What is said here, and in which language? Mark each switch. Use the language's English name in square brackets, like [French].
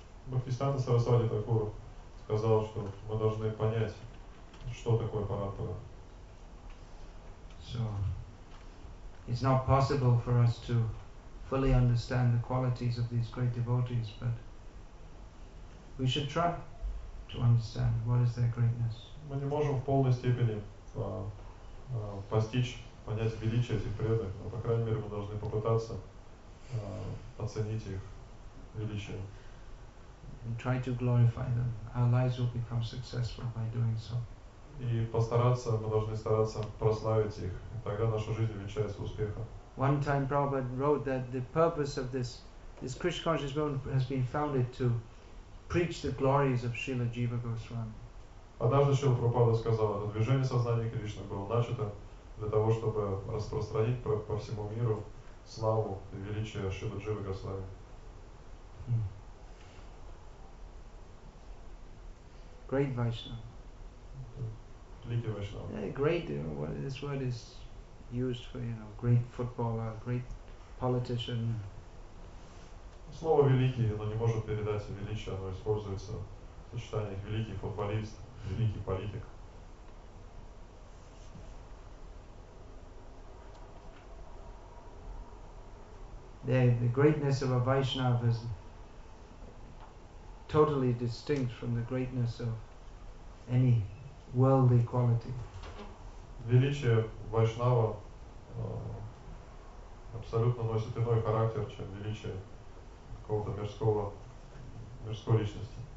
[Russian] Bhaktisiddhanta Saraswati Thakur сказал, что мы должны понять, что такое парампара. [English] So it's not possible for us to fully understand the qualities of these great devotees, but we should try to understand what is their greatness. [Russian] Мы не можем в полной степени постичь, понять величие этих преданных, но, по крайней мере, мы должны попытаться оценить их величие. [English] And try to glorify them. Our lives will become successful by doing so. [Russian] И постараться, мы должны стараться прославить их. И тогда наша жизнь увенчается успехом. [English] One time Prabhupada wrote that the purpose of this Krishna consciousness movement has been founded to preach the glories of Srila Jiva Goswami. [Russian] Однажды Шрила Прабхупада сказал, что движение сознания Кришны было начато для того, чтобы распространить по всему миру славу и величие Шрила Джива Госвами. [English] Great Vaishnava. [Russian] Великий Вайшнав. [English] Great, you know, this word is used for, you know, great footballer, great politician. [Russian] Слово великий, оно не может передать величие, оно используется в сочетании великий футболист, великий политик. [English] The greatness of a Vaishnava is totally distinct from the greatness of any worldly quality. [Russian] величие Вайшнава абсолютно носит иной характер, чем величие какого-то мирской личности.